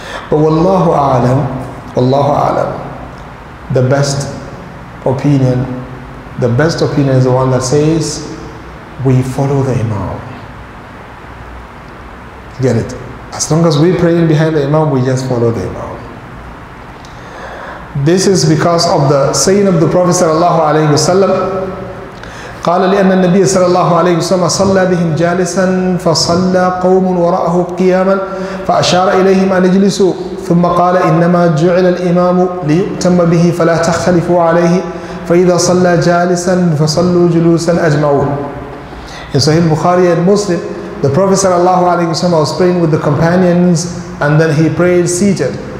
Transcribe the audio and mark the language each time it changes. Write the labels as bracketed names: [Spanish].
[English] But Wallahu a'lam, the best opinion is the one that says, we follow the Imam. Get it? As long as we're praying behind the Imam, we just follow the Imam. This is because of the saying of the Prophet sallallahu alayhi wa sallam. [Arabic] قال لأن النبي صلى الله عليه وسلم صلى بهم جالسا فصلى قوم وراءه قياما فأشار إليهم أن يجلسوا ثم قال إنما جعل الإمام ليؤتم به فلا تخلفوا عليه فإذا صلى جالسا فصلوا جلوسا أجمعون. [English] In Sahih Bukhari and Muslim, the Prophet صلى الله عليه وسلم was praying with the companions and then he prayed seated.